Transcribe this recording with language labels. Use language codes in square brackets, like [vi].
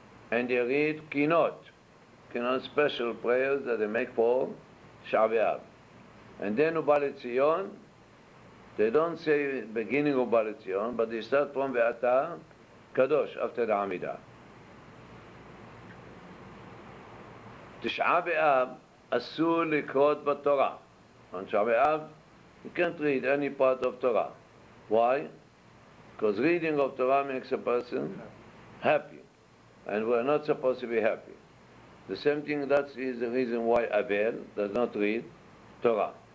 [en] And they read Kinot. Kinot, special prayers that they make for Tisha B'Av. And then Ubal Etzion, they don't say beginning Ubal Etzion, but they start from Ve'ata Kadosh, after the Amida. [he] תשעה באב אסור לקרות בתורה. [en] On תשעה באב, you can't read any part of Torah. Why? Because reading of Torah makes a person happy. And we're not supposed to be happy. The same thing, that is the reason why Abel does not read Torah.